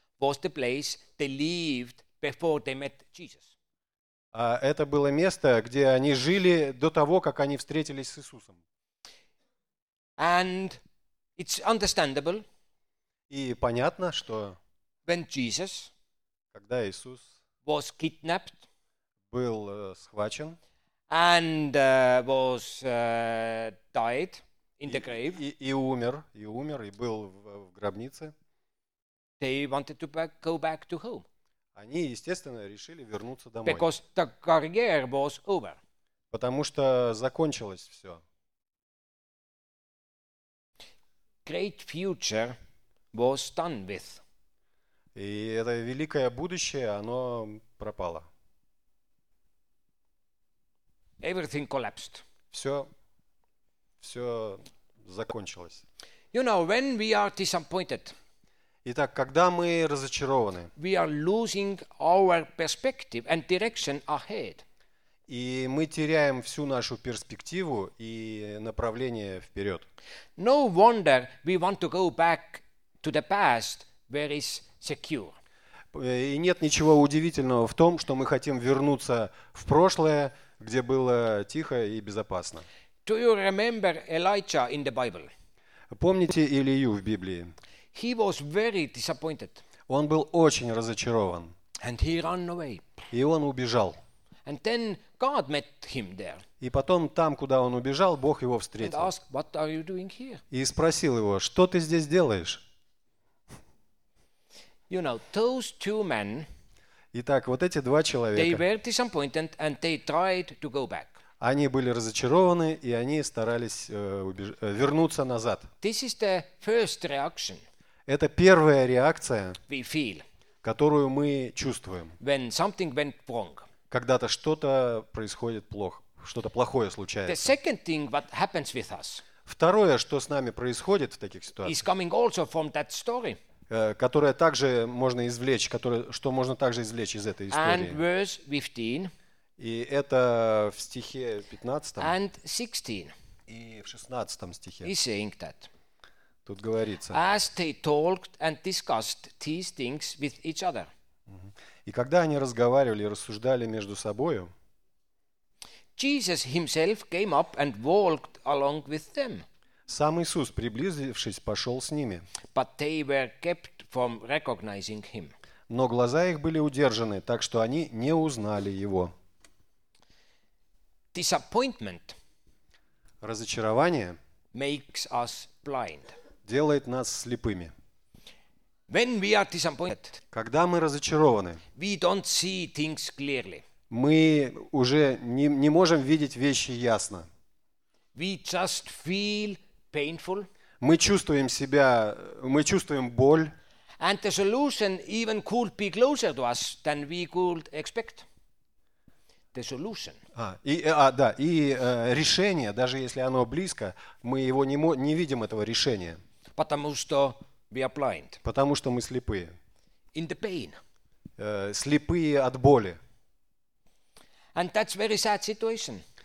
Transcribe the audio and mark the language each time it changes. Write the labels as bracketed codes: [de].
[en] was the place they lived before they met Jesus. [ru] А это было место, где они жили до того, как они встретились с Иисусом. [en] And it's understandable. [ru] И понятно, что [en] when Jesus, [ru] когда Иисус [en] was kidnapped, [ru] был схвачен [en] and was died in the grave, [ru] и умер, и был в гробнице, [en] they wanted to go back to home. [ru] Они, естественно, решили вернуться домой. [en] Because the career was over. [ru] Потому что закончилось все. [en] Great future was done with. [ru] И это великое будущее, оно пропало. [en] Everything collapsed. [ru] Все закончилось. [en] You know, when we are disappointed. [ru] Итак, когда мы разочарованы. [en] We are losing our perspective and direction ahead. [ru] И мы теряем всю нашу перспективу и направление вперед. [en] No wonder we want to go back to the past where is secure. [ru] И нет ничего удивительного в том, что мы хотим вернуться в прошлое, где было тихо и безопасно. [en] Do you remember Elijah in the Bible? [ru] Помните Илию в Библии? [en] He was very disappointed. [ru] Он был очень разочарован. [en] And he ran away. [ru] И он убежал. [en] And then God met him there. [ru] И потом там, куда он убежал, Бог его встретил. [en] And asked, what are you doing here? [ru] И спросил его, что ты здесь делаешь? [en] You know, those two men. [ru] Итак, вот эти два человека. [en] They were disappointed and they tried to go back. [ru] Они были разочарованы, и они старались вернуться назад. [en] This is the first reaction. [ru] Это первая реакция, [en] we feel, [ru] которую мы чувствуем. [en] When something went wrong. [ru] Когда-то что-то происходит плохо, что-то плохое случается. [en] The second thing what happens with us. [ru] Второе, что с нами происходит в таких ситуациях, [en] is coming also from that story. [ru] Которое также можно извлечь, которое, что можно также извлечь из этой истории. [en] And verse 15. [ru] И это в стихе 15 [en] and 16. [ru] И в 16 стихе. [en] He's saying that. [ru] Тут говорится. [en] As they talked and discussed these things with each other. [ru] И когда они разговаривали и рассуждали между собою, [en] Jesus himself came up and walked along with them. [ru] Сам Иисус, приблизившись, пошел с ними. [en] But they were kept from recognizing him. [ru] Но глаза их были удержаны, так что они не узнали его. [en] Disappointment [ru] разочарование [en] makes us blind. [ru] Делает нас слепыми. [en] When we are disappointed, [ru] когда мы разочарованы, [en] we don't see things clearly. [ru] Мы уже не можем видеть вещи ясно. [en] We just feel painful. [ru] Мы чувствуем боль. [en] And the solution even could be closer to us than we could expect. The solution. [ru] Решение, даже если оно близко, мы его не видим этого решения. Потому что [en] we are blind. [ru] Потому что мы слепые. [en] In the pain. [ru] Слепые от боли. [en] And that's very sad situation.